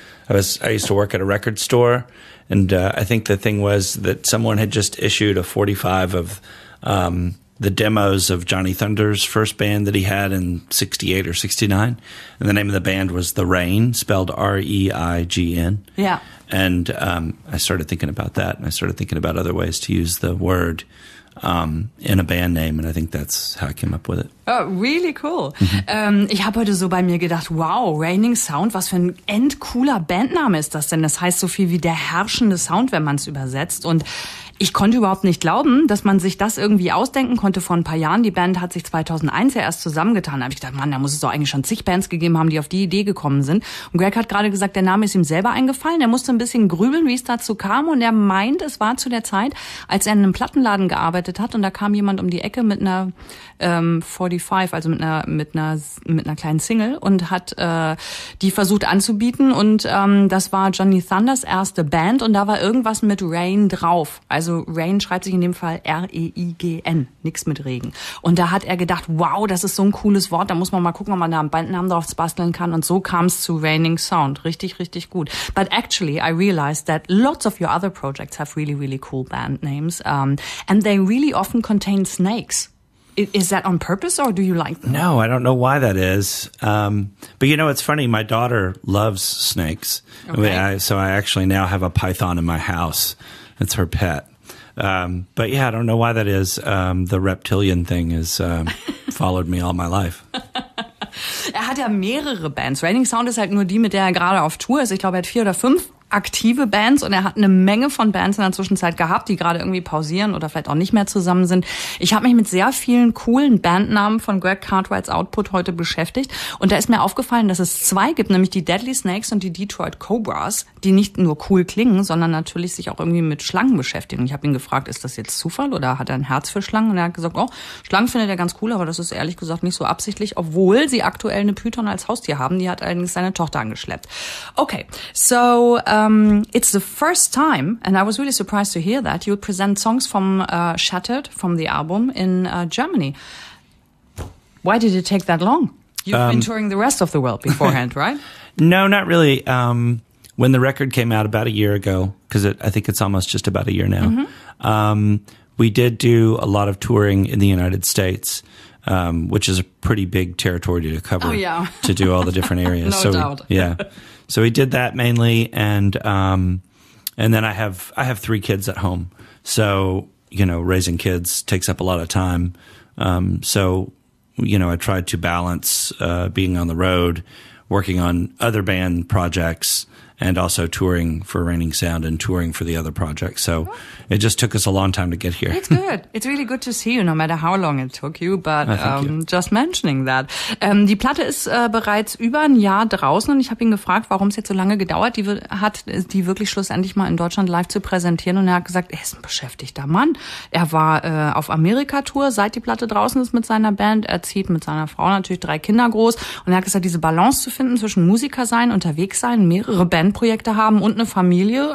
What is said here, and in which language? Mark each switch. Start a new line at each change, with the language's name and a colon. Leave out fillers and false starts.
English: I used to work at a record store. And I think the thing was that someone had just issued a 45 of the demos of Johnny Thunder's first band that he had in 68 or 69. And the name of the band was The Rain, spelled R-E-I-G-N. Yeah. And I started thinking about that. And I started thinking about other ways to use the word in a band name. And I think that's how I came up with it. Oh, really cool.
German: Ich habe heute so bei mir gedacht, wow, Raining Sound, was für ein endcooler Bandname ist das denn? Das heißt so viel wie der herrschende Sound, wenn man es übersetzt. Und ich konnte überhaupt nicht glauben, dass man sich das irgendwie ausdenken konnte vor ein paar Jahren. Die Band hat sich 2001 ja erst zusammengetan. Da habe ich gedacht, Mann, da muss es doch eigentlich schon zig Bands gegeben haben, die auf die Idee gekommen sind. Und Greg hat gerade gesagt, der Name ist ihm selber eingefallen. Er musste ein bisschen grübeln, wie es dazu kam. Und er meint, es war zu der Zeit, als er in einem Plattenladen gearbeitet hat. Und da kam jemand um die Ecke mit einer 45, also mit einer kleinen Single und hat die versucht anzubieten. Und das war Johnny Thunders erste Band. Und da war irgendwas mit Rain drauf. Also Rain schreibt sich in dem Fall R-E-I-G-N, nichts mit Regen. Und da hat er gedacht, wow, das ist so ein cooles Wort, da muss man mal gucken, ob man da einen Bandnamen drauf basteln kann. Und so kam es zu Raining Sound. Richtig, richtig gut.
English: But actually, I realized that lots of your other projects have really, really cool band names. And they really often contain snakes. Is that on purpose or do you like them? No, I don't know why that is. But you know, it's funny, my daughter loves snakes. Okay. So I actually now have a python in my house. It's her pet. But yeah, I don't know why that is. The reptilian thing has followed me all my life.
German: Er hat ja mehrere Bands. Raining Sound ist halt nur die, mit der er gerade auf Tour ist. Ich glaube, er hat 4 oder 5 aktive Bands und er hat eine Menge von Bands in der Zwischenzeit gehabt, die gerade irgendwie pausieren oder vielleicht auch nicht mehr zusammen sind. Ich habe mich mit sehr vielen coolen Bandnamen von Greg Cartwrights Output heute beschäftigt und da ist mir aufgefallen, dass es 2 gibt, nämlich die Deadly Snakes und die Detroit Cobras, die nicht nur cool klingen, sondern natürlich sich auch irgendwie mit Schlangen beschäftigen. Ich habe ihn gefragt, ist das jetzt Zufall oder hat er ein Herz für Schlangen? Und er hat gesagt, oh, Schlangen findet er ganz cool, aber das ist ehrlich gesagt nicht so absichtlich, obwohl sie aktuell eine Python als Haustier haben. Die hat allerdings seine Tochter angeschleppt.
English: Okay, so it's the first time, and I was really surprised to hear that, you present songs from Shattered, from the album, in Germany. Why did it take that long? You've been touring the rest of the world beforehand, right? No, not really. When the record came out about a year ago, because I think it's almost just about a year now, we did do a lot of touring in the United States, which is a pretty big territory to cover, oh, yeah. To do all the different areas. No doubt. Yeah. So we did that mainly, and then I have 3 kids at home. So, you know, raising kids takes up a lot of time. So, you know, I tried to balance being on the road, working on other band projects, and also touring for Raining Sound and touring for the other projects. So it just took us a long time to get here. It's good. It's really good to see you, no matter how long it took you. But just mentioning that.
German: Die Platte ist bereits über ein Jahr draußen. Und ich habe ihn gefragt, warum es jetzt so lange gedauert hat, die wirklich schlussendlich mal in Deutschland live zu präsentieren. Und er hat gesagt, er ist ein beschäftigter Mann. Er war auf Amerika-Tour, seit die Platte draußen ist mit seiner Band. Er zieht mit seiner Frau natürlich 3 Kinder groß. Und er hat gesagt, diese Balance zu finden zwischen Musiker sein, unterwegs sein, mehrere Bandprojekte haben und eine Familie.